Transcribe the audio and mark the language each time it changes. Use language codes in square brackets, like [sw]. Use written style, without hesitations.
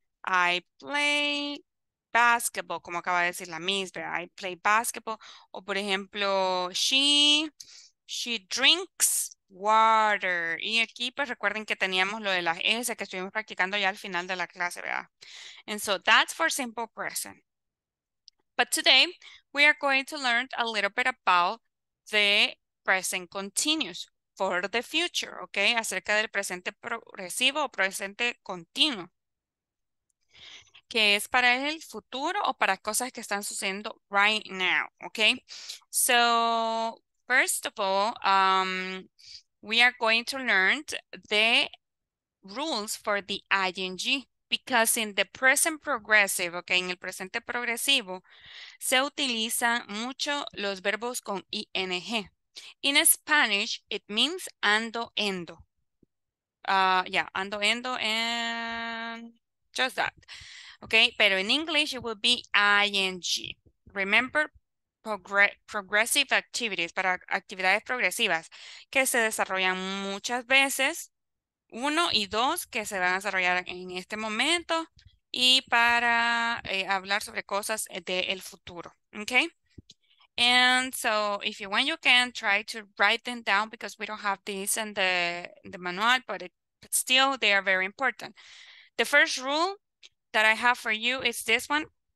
[en] I play basketball, [es] como acaba de decir la Miss, vea. [en] I play basketball. [es] O, por ejemplo, [en] she drinks water. [es] Y aquí, pues, recuerden que teníamos lo de las S que estuvimos practicando ya al final de la clase, vea. [en] And so, that's for simple present. But today, we are going to learn a little bit about the present continuous for the future, okay? [es] Acerca del presente progresivo o presente continuo. Que es para el futuro o para cosas que están sucediendo [en] right now, [es] okay? [en] So, first of all, we are going to learn the rules for the ing. Because in the present progressive, okay, [es] en el presente progresivo, se utilizan mucho los verbos con ing. [en] In Spanish, it means ando, endo. Yeah, ando, endo, and just that. Okay, pero in English, it would be ing. Remember, progressive activities, [es] para actividades progresivas, que se desarrollan muchas veces. Uno y dos que se van a desarrollar en este momento y para hablar sobre cosas del futuro, okay? [en] And so, if you want, you can try to write them down because we don't have these in the manual, but still, they are very important. The first rule that I have for you is this one.